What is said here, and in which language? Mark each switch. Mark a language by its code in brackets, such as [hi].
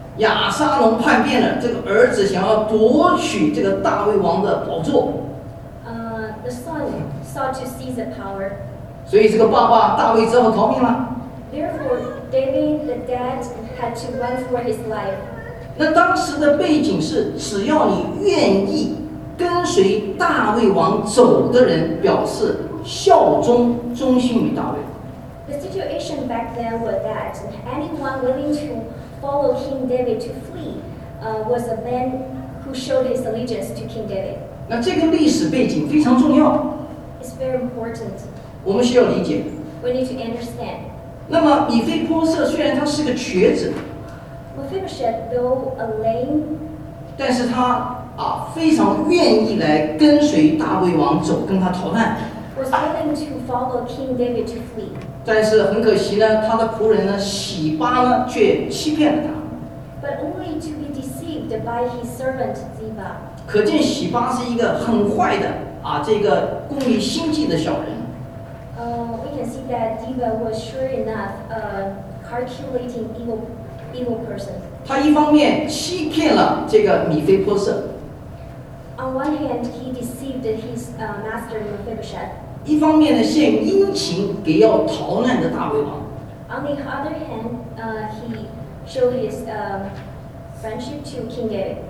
[zh] 亚沙龙叛变了，这个儿子想要夺取这个大卫王的宝座。 [en] The son sought to seize the power. [zh] 所以这个爸爸大卫只好逃命了。 [en] Therefore, David, the dad, had to run for his life. [zh] 那当时的背景是，只要你愿意跟随大卫王走的人，表示效忠、忠心于大卫。 [en] The situation back then was that anyone willing to follow King David to flee, was a man who showed his allegiance to King David. [zh] 那这个历史背景非常重要。 [en] It's very important. [zh] 我们需要理解。 [en] We need to understand. [zh] 那么米非波设虽然他是个瘸子。 [en] Mephibosheth, though a lame, [zh] 但是他非常愿意来跟随大卫王走，跟他逃难。 [en] Was willing to follow King David to flee. [zh] 但是很可惜呢，他的仆人呢，洗巴呢，却欺骗了他。 [en] But only to be deceived by his servant Ziba. [zh] 可见洗巴是一个很坏的这个功于心计的小人。 [en] We can see that Ziba was sure enough, calculating evil. [zh] 他一方面欺骗了这个米非波设。 [en] On one hand, he deceived his master Mephibosheth. [zh] 一方面呢，献殷勤给要逃难的大卫王。 [en] On the other hand, he showed his friendship to King David.